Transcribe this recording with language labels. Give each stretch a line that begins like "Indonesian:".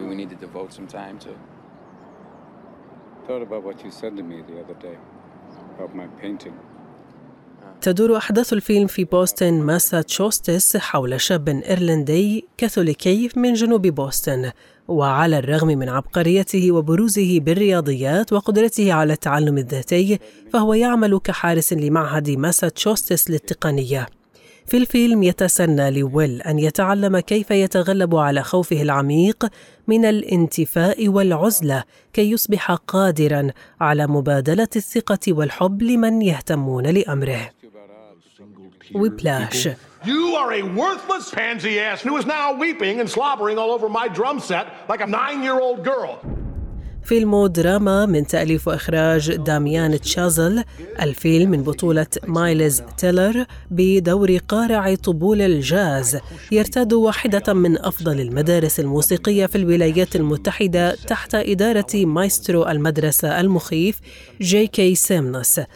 English: We need to devote some time to. Thought about what you said to me the other day about my painting.
Arabic: تدور أحداث الفيلم في بوسطن ماساتشوستس حول شاب إيرلندي كاثوليكي من جنوب بوسطن، وعلى الرغم من عبقريته وبروزه بالرياضيات وقدرته على التعلم الذاتي، فهو يعمل كحارس لمعهد ماساتشوستس للتقنية. في الفيلم يتسنى لويل أن يتعلم كيف يتغلب على خوفه العميق من الانتفاء والعزلة كي يصبح قادراً على مبادلة الثقة والحب لمن يهتمون لأمره.
English: Whiplash. You are a worthless pansy ass who is now weeping and slobbering all over my drum set like a 9-year-old girl.
Arabic: فيلم دراما من تأليف وإخراج داميان تشازل. الفيلم من بطولة مايلز تيلر بدور قارع طبول الجاز، يرتاد واحدة من أفضل المدارس الموسيقية في الولايات المتحدة تحت إدارة مايسترو المدرسة المخيف جي كي سيمنس.